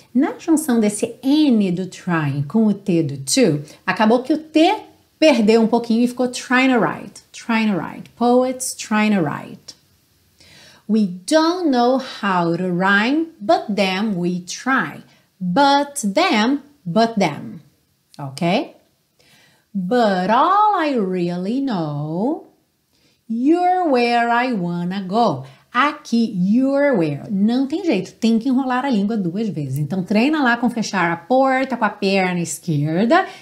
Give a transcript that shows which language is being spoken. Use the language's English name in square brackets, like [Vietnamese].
[Portuguese] Na junção desse N do trying com o T do to, acabou que o T perdeu um pouquinho e ficou [English] trying to write. Trying to write. Poets trying to write. We don't know how to rhyme, but them we try. But them. Okay? But all I really know, you're where I wanna go. Aqui, you're where. [Portuguese] Não tem jeito, tem que enrolar a língua duas vezes. Então, treina lá com fechar a porta com a perna esquerda.